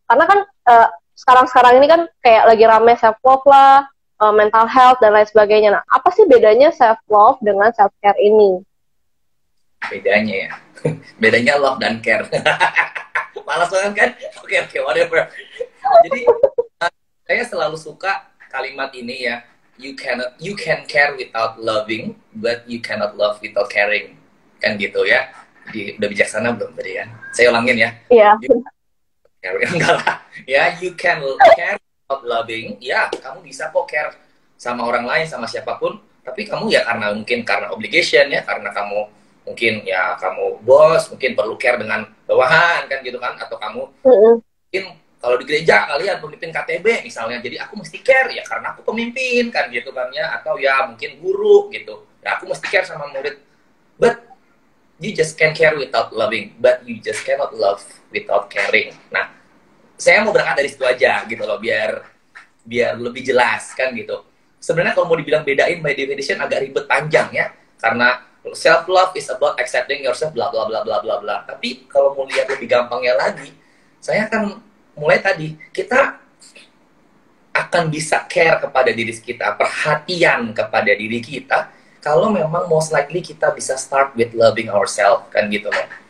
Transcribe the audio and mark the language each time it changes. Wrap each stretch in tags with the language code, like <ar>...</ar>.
<id>Karena kan sekarang-sekarang ini kan kayak lagi rame self-love lah, mental health, dan lain sebagainya. Nah, apa sih bedanya self-love dengan self-care ini? Bedanya ya? Bedanya love dan care. Malas banget kan? Oke, whatever. Jadi, saya selalu suka kalimat ini ya.</id> <en>You can care without loving, but you cannot love without caring.</en> <id>Kan gitu ya? Udah bijaksana belum tadi kan? Saya ulangin ya. Iya.</id> <en>Ya, you can care without loving.</en> <id>Ya, kamu bisa kok care sama orang lain, sama siapapun. Tapi kamu ya karena mungkin karena obligation ya, karena kamu mungkin ya kamu bos, mungkin perlu care dengan bawahan kan gitu kan. Atau kamu mungkin kalau di gereja kalian pemimpin KTB misalnya. Jadi aku mesti care ya karena aku pemimpin kan gitu kan ya. Atau ya mungkin guru gitu. Ya aku mesti care sama murid.</id> <en>But you just can't care without loving, but you just cannot love without caring.</en> <id>Nah, saya mau berangkat dari situ aja gitu loh, biar lebih jelas kan gitu. Sebenarnya kalau mau dibilang bedain by definition agak ribet panjang ya, karena</id> <en>self love is about accepting yourself</en> <id>bla bla bla bla bla bla. Tapi kalau mau lihat lebih gampangnya lagi, saya akan mulai tadi, kita akan bisa care kepada diri kita, perhatian kepada diri kita, kalau memang most likely kita bisa</id> <en>start with loving ourselves,</en> <id>kan gitu loh.</id>